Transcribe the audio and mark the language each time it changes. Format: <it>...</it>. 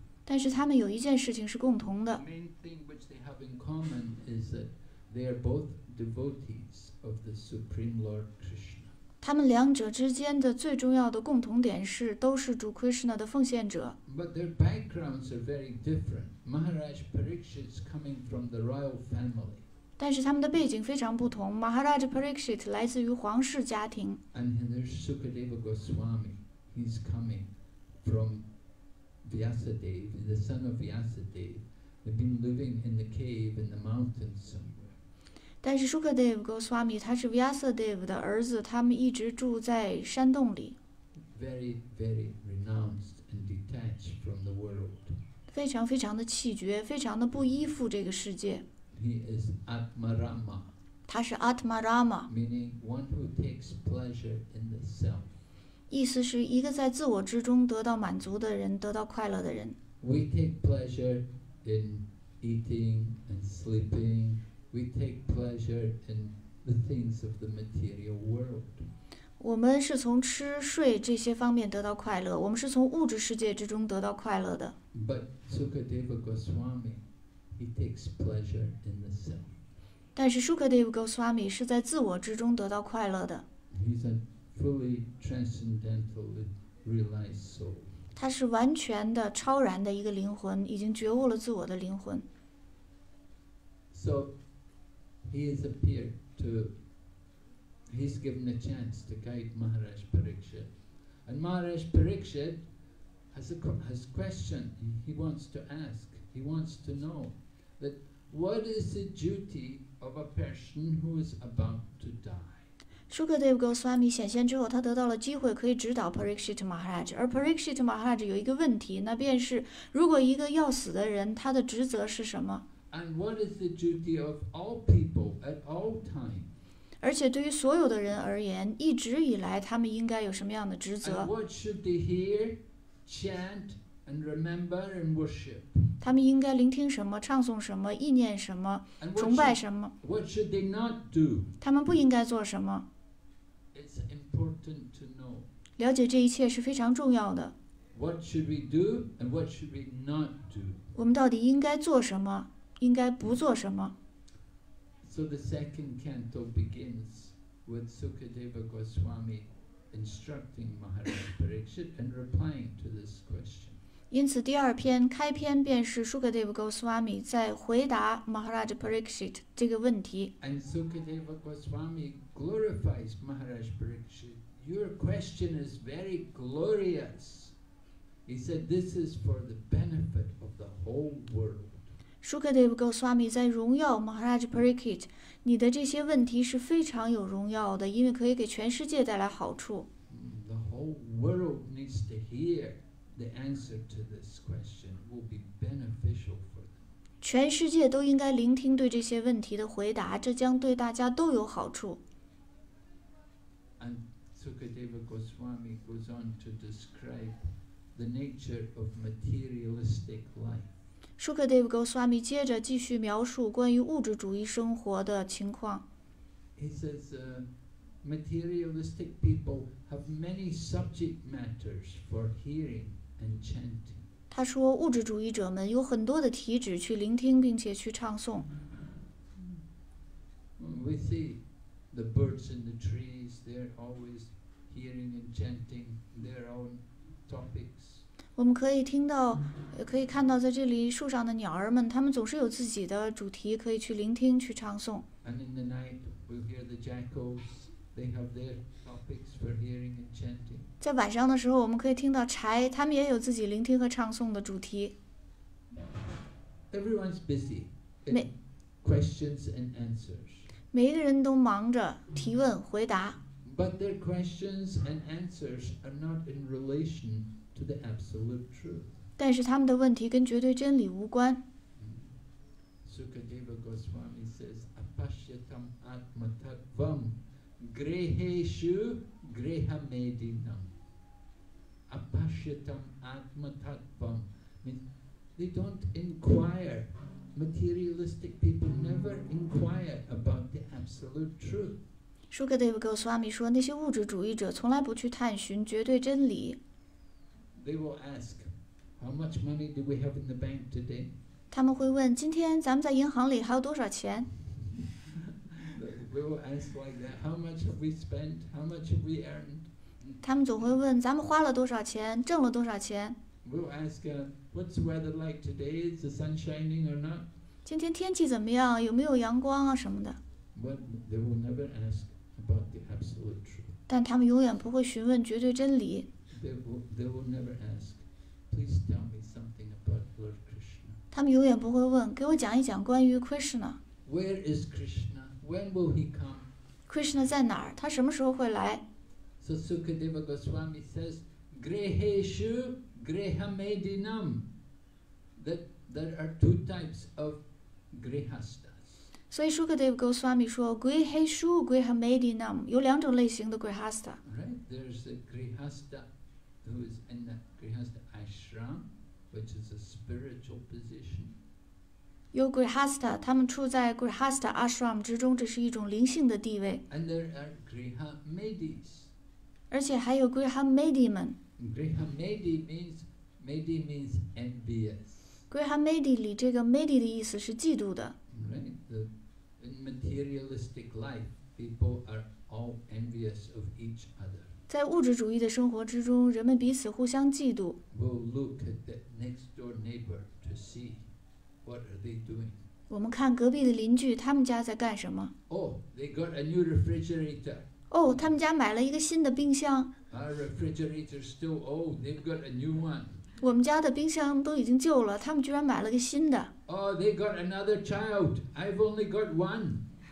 <zh>但是他们有一件事情是共同的。</zh> <en>The main thing which they have in common is that they are both devotees. Of the Supreme Lord Krishna.</en> <zh>他们两者之间的最重要的共同点是都是主 Krishna 的奉献者。</zh> <en>But their backgrounds are very different. Maharaj Parikshit is coming from the royal family.</en> <zh>但是他们的背景非常不同。 Maharaj Parikshit 来自于皇室家庭。</zh> <en>And there's Sukadeva Goswami. He's coming from Vyasadeva, the son of Vyasadeva. They've been living in the cave in the mountains somewhere.</en> <zh>但是 Sukadeva Goswami 他是 Vyasadeva 的儿子，他们一直住在山洞里。</zh> <en>Very, very renounced and detached from the world.</en> <zh>非常非常的气绝，非常的不依附这个世界。</zh> <en>He is Atmarama.</en> <zh>他是 Atmarama.</zh> <en>Meaning one who takes pleasure in the self.</en> <zh>意思是一个在自我之中得到满足的人，得到快乐的人。</zh> <en>We take pleasure in eating and sleeping. We take pleasure in the things of the material world.</en> <zh>我们是从吃睡这些方面得到快乐，我们是从物质世界之中得到快乐的。</zh> <en>But Sukadeva Goswami, he takes pleasure in the self.</en> <zh>但是 Shukadeva Goswami 是在自我之中得到快乐的。</zh> <en>He's a fully transcendental realized soul.</en> <zh>他是完全的超然的一个灵魂，已经觉悟了自我的灵魂。</zh> <en>So he has appeared to, he's given a chance to guide Maharaj Parikshit. And Maharaj Parikshit has a question he wants to ask. He wants to know that what is the duty of a person who is about to die?</en> <zh>Shukadeva Goswami 显现之后，他得到了机会可以指导 Parikshit Maharaj。而 Parikshit Maharaj 有一个问题，那便是如果一个要死的人，他的职责是什么？</zh> <en>And what is the duty of all people at all time?</en> <zh>而且对于所有的人而言，一直以来他们应该有什么样的职责？</zh> <en>And what should they hear, chant, and remember and worship?</en> <zh>他们应该聆听什么，唱诵什么，意念什么，崇拜什么？</zh> <en>What should they not do?</en> <zh>他们不应该做什么？</zh> <en>Important to know.</en> <zh>了解这一切是非常重要的。</zh> <en>What should we do and what should we not do?</en> <zh>我们到底应该做什么，应该不做什么。</zh> <en>So the second canto begins with Sukadeva Goswami instructing Maharaj Parikshit and replying to this question.</en> <zh>因此第二篇开篇便是 Sukadeva Goswami 在回答 Maharaj Parikshit 这个问题。</zh> <en>And Sukadeva Goswami glorifies Maharaj Parikshit. Your question is very glorious. He said this is for the benefit of the whole world.</en> <zh>Sukadeva Goswami 在荣耀 Maharaj Parikshit, 你的这些问题是非常有荣耀的，因为可以给全世界带来好处。</zh> <en>The whole world needs to hear the answer to this question. It will be beneficial for them.</en> <zh>全世界都应该聆听对这些问题的回答，这将对大家都有好处。</zh> <en>And Sukadeva Goswami goes on to describe the nature of materialistic life.</en> <zh>Sukadeva Goswami 接着继续描述关于物质主义生活的情况。</zh> <en>He says, materialistic people have many subject matters for hearing and chanting.</en> <zh>他说物质主义者们有很多的题旨去聆听并且去唱诵。</zh> <en>We see the birds in the trees. They're always hearing and chanting their own topics.</en> <zh>我们可以听到，也可以看到，在这里树上的鸟儿们，它们总是有自己的主题可以去聆听、去唱诵。</zh> <en>And in the night, we'll hear the jackals. They have their topics for hearing and chanting.</en> <zh>在晚上的时候，我们可以听到豺，它们也有自己聆听和唱诵的主题。</zh> <en>Everyone's busy. Questions and answers.</en> <zh>每一个人都忙着提问回答。</zh> <en>But their questions and answers are not in relation to the absolute truth.</en> <zh>但是他们的问题跟绝对真理无关。</zh> <en>Sukadeva Goswami says,</en> <sa>Apashyatam atmatattvam greheshu grehamedinam. Apashyatam atmatattvam</sa> <en>means they don't inquire. Materialistic people never inquire about the absolute truth.</en> <zh>Sukadeva Goswami 说，那些物质主义者从来不去探寻绝对真理。</zh> <en>They will ask, "How much money do we have in the bank today?"</en> <zh>他们会问，今天咱们在银行里还有多少钱？</zh> <en>They will ask like that, "How much have we spent? How much have we earned?"</en> <zh>他们总会问，咱们花了多少钱？挣了多少钱？</zh> <en>We'll ask, what's the weather like today? Is the sun shining or not?</en> <zh>今天天气怎么样？有没有阳光啊什么的？</zh> <en>But they will never ask about the absolute truth.</en> <zh>但他们永远不会询问绝对真理。</zh> <en>They will never ask, please tell me something about Lord Krishna.</en> <zh>他们永远不会问，给我讲一讲关于 Krishna。</zh> <en>Where is Krishna? When will he come?</en> <zh>Krishna 在哪儿？他什么时候会来？</zh> <en>So Sukadeva Goswami says, Greheshu. Grihamedinam, that there are two types of grihastas.</en> <zh>So Sukadeva Goswami 说</zh> <sa>Griheshu Grihamedinam,</sa> <zh>有两种类型的 grihasta.</zh> <en>Right, there's a grihasta who is in the grihasta ashram, which is a spiritual position.</en> <zh>有 grihasta, 他们处在 grihasta ashram 之中，这是一种灵性的地位。</zh> <en>And there are grihamedis.</en> <zh>而且还有 grihamedi 们。</zh> <en>Grihamedi means, medi means envious.</en> <zh>Grihamedi 里这个 medi 的意思是嫉妒的。</zh> <en>Right, the, in materialistic life, people are all envious of each other.</en> <zh>在物质主义的生活之中，人们彼此互相嫉妒。</zh> <en>We'll look at the next door neighbor to see what are they doing.</en> <zh>我们看隔壁的邻居，他们家在干什么。</zh> <en>Oh, they got a new refrigerator.</en> <zh>他们家买了一个新的冰箱。</zh> <en>Our refrigerator is still old. They've got a new one.</en> <zh>我们家的冰箱都已经旧了，他们居然买了个新的。</zh> <en>Oh, they got another child. I've only got one.</en>